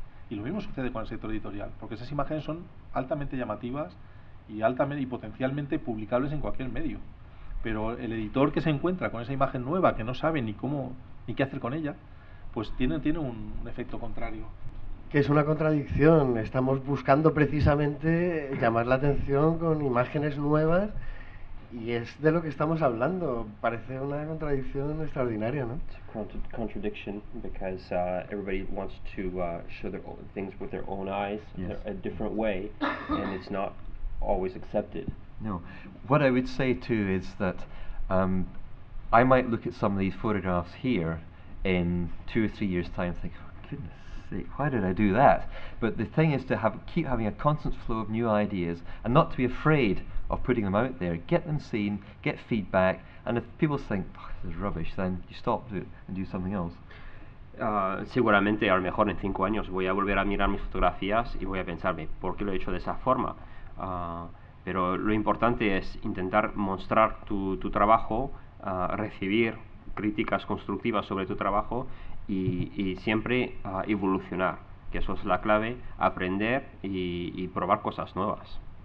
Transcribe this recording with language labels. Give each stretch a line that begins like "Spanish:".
Spanish: Y lo mismo sucede con el sector editorial, porque esas imágenes son altamente llamativas y potencialmente publicables en cualquier medio, pero el editor que se encuentra con esa imagen nueva, que no sabe ni cómo ni qué hacer con ella, pues tiene un efecto contrario. Que es una contradicción, estamos buscando precisamente llamar la atención con imágenes nuevas Y es de lo que estamos hablando. Parece una contradicción extraordinaria, ¿no?
English: It's a contradiction because everybody wants to show their own things with their own eyes, yes, a different way, and it's not always accepted. No. What I would say too is that I might look at some of these photographs here in 2 or 3 years' time and think, oh, goodness sake, why did I do that? But the thing is to keep having a constant flow of new ideas and not to be afraid of putting them out there. Get them seen, get feedback, and if people think, oh, this is rubbish, then you stop it and do something else.
Spanish: Seguramente, a lo mejor en 5 años, voy a volver a mirar mis fotografías y voy a pensarme, ¿por qué lo he hecho de esa forma? Pero lo importante es intentar mostrar tu trabajo, recibir críticas constructivas sobre tu trabajo y siempre evolucionar, que eso es la clave, aprender y probar cosas nuevas.